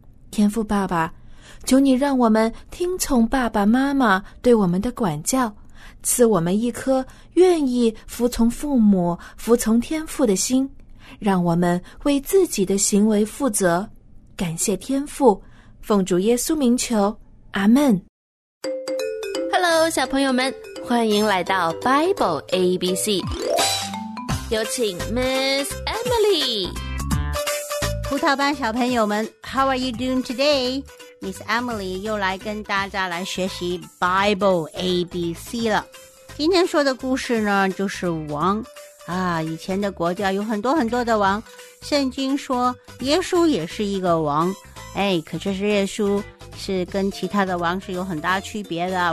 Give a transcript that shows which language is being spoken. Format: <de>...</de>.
<zh>天父爸爸，求你让我们听从爸爸妈妈对我们的管教，赐我们一颗愿意服从父母、服从天父的心，让我们为自己的行为负责。感谢天父，奉主耶稣名求，阿们。</zh> <en>Hello，</en> <zh>小朋友们，欢迎来到 Bible ABC， 有请 Miss Emily。葡萄班小朋友们</zh> <en>，How are you doing today？</en> <zh>Miss Emily 又来跟大家来学习 Bible ABC 了。今天说的故事呢就是王啊，以前的国家有很多很多的王，圣经说耶稣也是一个王，哎，可这是耶稣是跟其他的王是有很大区别的。</zh>